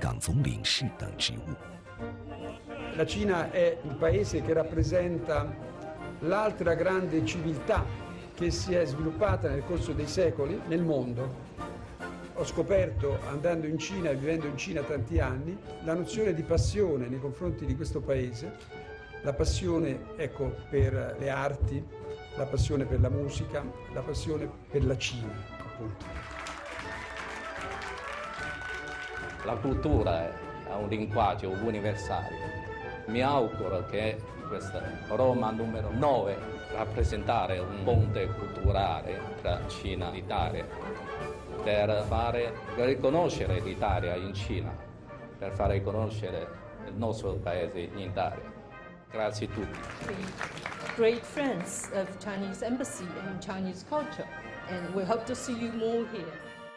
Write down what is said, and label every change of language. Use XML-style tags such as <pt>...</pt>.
<zh>来参加开幕庆典的客人中，有一位特殊的嘉宾——意大利前外交官白达明先生。他从1991年到2015年，先后任意大利驻华参赞大使及驻香港总领事等职务。La</zh> <it>Cina è un paese che rappresenta l'altra grande civiltà che si è sviluppata nel corso dei secoli nel mondo. Ho scoperto andando in Cina e vivendo in Cina tanti anni la nozione di passione nei confronti di questo paese, la passione ecco per le arti, la passione per la musica, la passione per la Cina appunto. La cultura ha un linguaggio universale. Mi auguro che questa Roma numero 9 rappresentare un ponte culturale tra Cina e Italia, per fare riconoscere l'Italia in Cina, per far riconoscere il nostro paese in Italia. Grazie a tutti.</it> <en>Great friends of Chinese embassy and Chinese culture, and we hope to see you more here.</en>